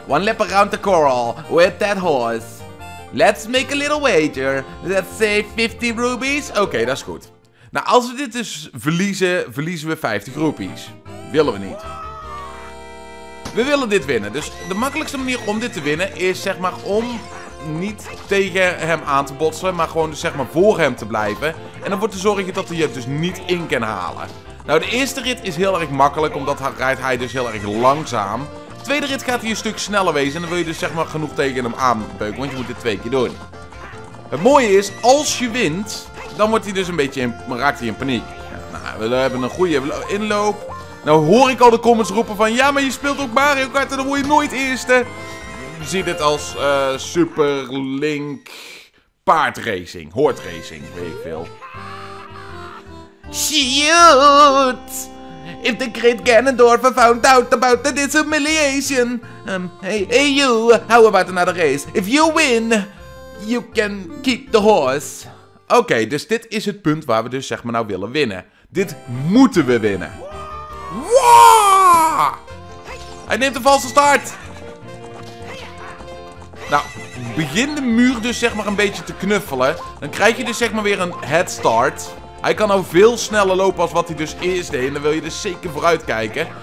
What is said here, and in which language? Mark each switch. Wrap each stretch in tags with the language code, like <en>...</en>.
<en>One lap around the coral with that horse. Let's make a little wager. Let's say 50 rubies.</en> <nl>Oké, dat is goed. Nou, als we dit dus verliezen, verliezen we 50 rubies. Willen we niet. We willen dit winnen. Dus de makkelijkste manier om dit te winnen is zeg maar om niet tegen hem aan te botsen. Maar gewoon dus zeg maar voor hem te blijven. En dan wordt te zorgen dat hij het dus niet in kan halen. Nou, de eerste rit is heel erg makkelijk. Omdat hij rijdt hij dus heel erg langzaam. De tweede rit gaat hij een stuk sneller wezen en dan wil je dus zeg maar genoeg tegen hem aanbeuken, want je moet dit 2 keer doen. Het mooie is, als je wint, dan wordt hij dus een beetje raakt hij in paniek. Nou, we hebben een goede inloop. Nou hoor ik al de comments roepen van, ja maar je speelt ook Mario Kart en dan word je nooit eerste. Je ziet dit als Super Link paardracing, hoortracing, weet ik veel.</nl> <en>Shoot! If the great Ganondorf found out about the dishumiliation. Hey you, how about another race? If you win, you can keep the horse.</en> <nl>Oké, dus dit is het punt waar we dus zeg maar nou willen winnen. Dit moeten we winnen. Wow! Hij neemt een valse start. Nou, begin de muur dus zeg maar een beetje te knuffelen. Dan krijg je dus zeg maar weer een head start. Hij kan nou veel sneller lopen als wat hij dus eerst deed. En dan wil je dus zeker vooruit kijken.</nl>